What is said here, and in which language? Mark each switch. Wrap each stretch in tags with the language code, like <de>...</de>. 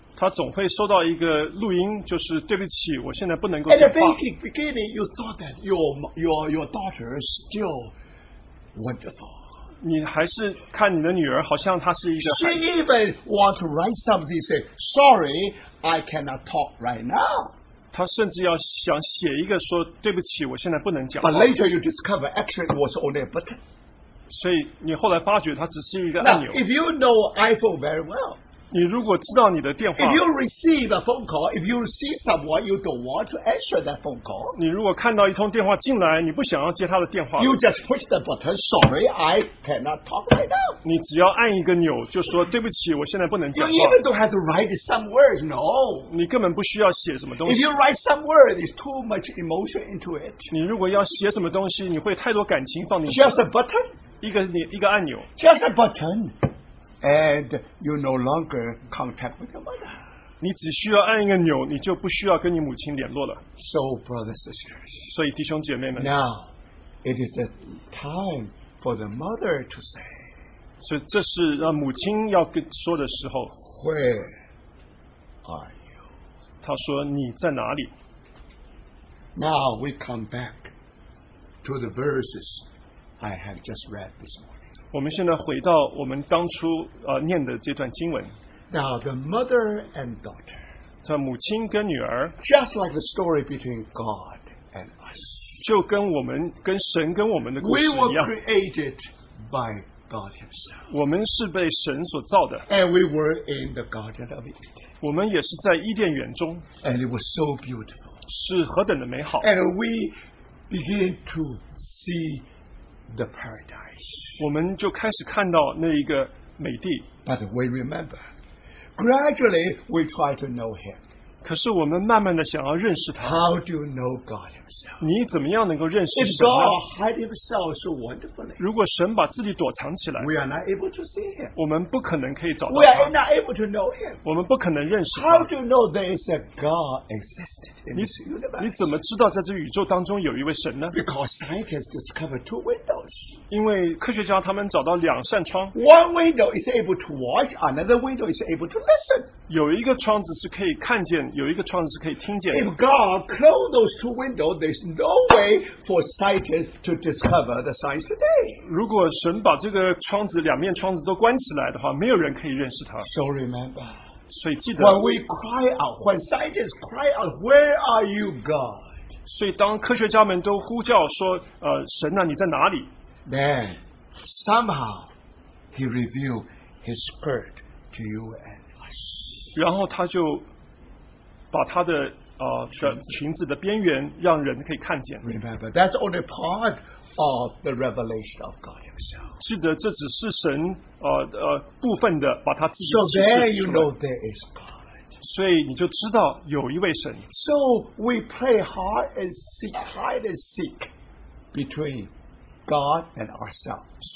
<zh>他总会收到一个录音，就是对不起，我现在不能够讲话。</zh> <en>At the beginning, you thought that your daughter is still wonderful.</en> <zh>你还是看你的女儿，好像她是一个。</zh> <en>She even want to write something, say sorry, I cannot talk right now.</en> <zh>她甚至要想写一个说对不起，我现在不能讲话。</zh> <en>But later you discover actually was only a button.</en> <zh>所以你后来发觉它只是一个按钮。</zh> <en>Now, if you know iPhone very well,</en> <zh>你如果知道你的电话</zh> <en>，if you receive a phone call, if you see someone you don't want to answer that phone call,</en> <zh>你如果看到一通电话进来，你不想要接他的电话</zh> <en>，you just push the button. Sorry, I cannot talk right now.</en> <zh>你只要按一个钮，就说对不起，我现在不能讲话。</zh> <en>You even don't have to write some words. No,</en> <zh>你根本不需要写什么东西。</zh> <en>If you write some word, it's too much emotion into it.</en> <zh>你如果要写什么东西，你会太多感情放进去。</zh> <en>Just a button.</en> <zh>一个按钮</zh> <en>Just a button, and you no longer contact with your mother.</en> <zh>你只需要按一个钮，你就不需要跟你母亲联络了。</zh> <en>So, brothers and sisters,</en> <zh>所以弟兄姐妹们</zh> <en>now it is the time for the mother to say.</en> <zh>所以这是让母亲要跟说的时候。</zh> <en>Where are you?</en> <zh>她说你在哪里</zh> <en>？Now we come back to the verses. I have just read this morning.</en> <zh>我们现在回到我们当初念的这段经文。</zh> <en>Now the mother and daughter.</en> <zh>这母亲跟女儿。</zh> <en>Just like the story between God and us.</en> <zh>就跟我们跟神跟我们的故事一样。</zh> <en>We were created by God Himself.</en> <zh>我们是被神所造的。</zh> <en>And we were in the Garden of Eden.</en> <zh>我们也是在伊甸园中。</zh> <en>And it was so beautiful.</en> <zh>是何等的美好。</zh> <en>And we begin to see. The paradise.</en> <zh>我们就开始看到那一个美地。</zh> <en>But we remember. Gradually, we try to know Him.</en> <zh>可是我们慢慢的想要认识他。</zh> <en>How do you know God Himself?</en> <zh>你怎么样能够认识神</zh> <en>？If God hides Himself so wonderfully,</en> <zh>如果神把自己躲藏起来</zh> <en>，we are not able to see Him.</en> <zh>我们不可能可以找到他。</zh> <en>We are not able to know Him.</en> <zh>我们不可能认识他。</zh> <en>How do you know there is a God existed in this universe?</en> <zh>你怎么知道在这宇宙当中有一位神呢</zh> <en>？Because scientists discovered two windows.</en> <zh>因为科学家他们找到两扇窗。</zh> <en>One window is able to watch, another window is able to listen.</en> <zh>有一个窗子是可以看见。有一个窗子是可以听见的。</zh> <en>If God closed those two windows, there's no way for scientists to discover the science today.</en> <zh>如果神把这个窗子两面窗子都关起来的话，没有人可以认识他。</zh> <en>So remember,</en> <zh>所以记得。</zh> <en>When we cry out, when scientists cry out, "Where are you, God?"</en> <zh>所以当科学家们都呼叫说，神啊，你在哪里</zh> <en>？Then somehow He revealed His Spirit to you and us.</en> <zh>然后他就。把他的裙子的边缘让人可以看见。</zh> <en>Remember, that's only part of the revelation of God Himself.</en> <zh>记得这只是神部分的把他自己</zh> <en>So then you know there is God.</en> <zh>所以你就知道有一位神。</zh> <en>So we play hard and seek, hide and seek between God and ourselves.</en>